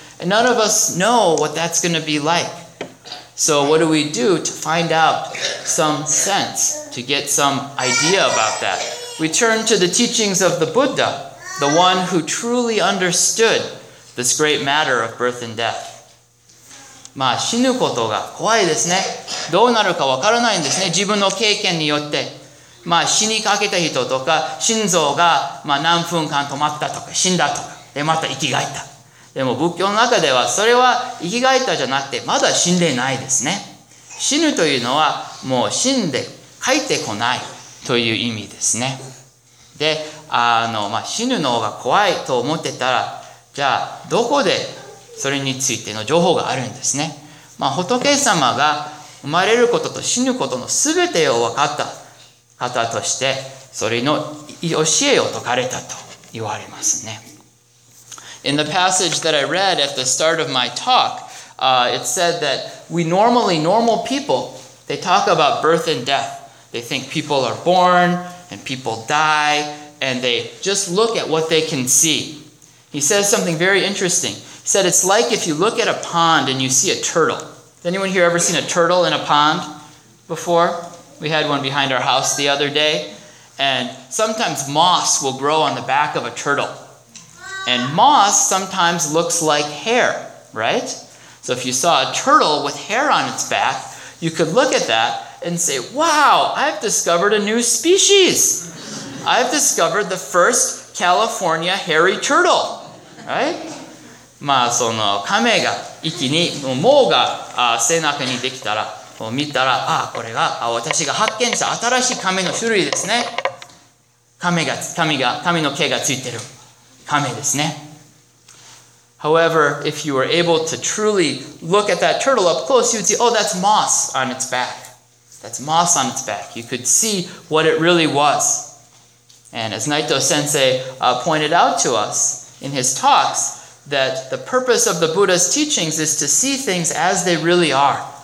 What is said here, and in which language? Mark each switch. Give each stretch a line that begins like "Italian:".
English: And none of us know what that's going to be like. So what do we do to find out some sense, to get some idea about that? We turn to the teachings of the Buddha, the one who truly understood this great matter of birth and death.
Japanese: まあ死ぬことが怖いですね。どうなるかわからないんですね。自分の経験によって。まあ死にかけた人とか、心臓がまあ何分間止まったとか、死んだとか、でまた生き返った。でも仏教の中ではそれは生き返ったじゃなくてまだ死んでないですね。死ぬというのはもう死んで帰ってこないという意味ですね。で、まあ、死ぬのが怖いと思ってたら、じゃあどこでそれについての情報があるんですね。まあ、仏様が生まれることと死ぬことの全てを分かった方として、それの教えを説かれたと言われますね。
English: In the passage that I read at the start of my talk, it said that normal people, they talk about birth and death. They think people are born and people die, and they just look at what they can see. He says something very interesting. He said, it's like if you look at a pond and you see a turtle. Has anyone here ever seen a turtle in a pond before? We had one behind our house the other day. And sometimes moss will grow on the back of a turtle. And moss sometimes looks like hair, right? So if you saw a turtle with hair on its back, you could look at that and say, wow, I've discovered a new species. I've discovered the first California hairy turtle, right?
Japanese: まあその亀が一気に毛が背中にできたら見たら、ああこれが私が発見した新しい亀の種類ですね。亀の毛がついてる亀ですね。
English: However, if you were able to truly look at that turtle up close, you'd see, oh, that's moss on its back. That's moss on its back. You could see what it really was. And as Naito Sensei pointed out to us in his talks, that the purpose of the Buddha's teachings is to see things as they really are.